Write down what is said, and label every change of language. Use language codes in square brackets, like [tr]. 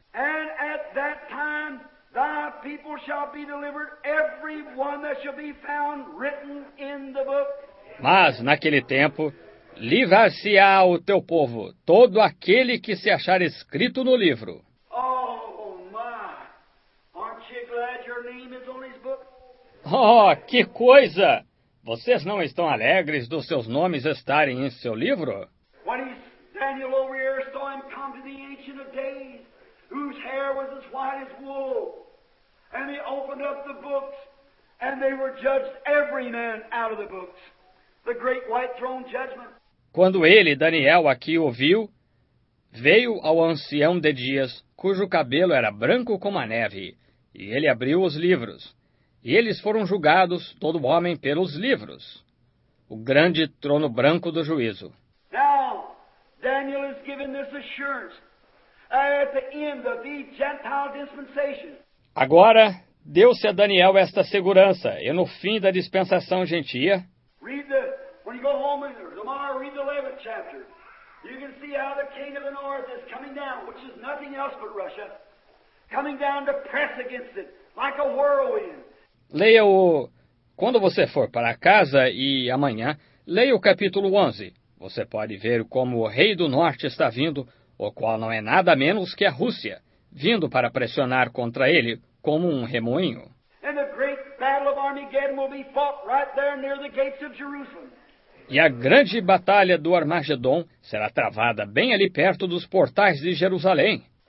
[en] And at that time, thy people shall be delivered, every one that shall be found written in the book. [pt] Mas naquele tempo, livrar-se-á o teu povo, todo aquele que se achar escrito no livro. [en] Oh, my! Aren't you glad your name is on his book? [pt] Oh, que coisa! Vocês não estão alegres dos seus nomes estarem em seu livro? [en] When Daniel over here saw him come to the Ancient of Days, whose hair was as white as wool, and he opened up the books, and they were judged every man out of the books. The great white throne judgment. [pt] Quando ele, Daniel, aqui o viu, veio ao ancião de dias, cujo cabelo era branco como a neve, e ele abriu os livros. E eles foram julgados, todo homem, pelos livros. O grande trono branco do juízo. [en] Now, Daniel is given this assurance at the end of the Gentile dispensation. [pt] Agora, deu-se a Daniel esta segurança, e no fim da dispensação gentia. [en] Read the, when you go home tomorrow, read the 11th chapter. You can see how the king of the north is coming down, which is nothing else but Russia, coming down to press against it, like a whirlwind. [pt] Leia-o quando você for para casa e amanhã, leia o capítulo 11. Você pode ver como o rei do norte está vindo, o qual não é nada menos que a Rússia, vindo para pressionar contra ele como um remoinho. [en] And the great battle of Armageddon will be fought right there near the gates of Jerusalem. [pt] E a grande batalha do Armagedom será travada bem ali perto dos portais de Jerusalém.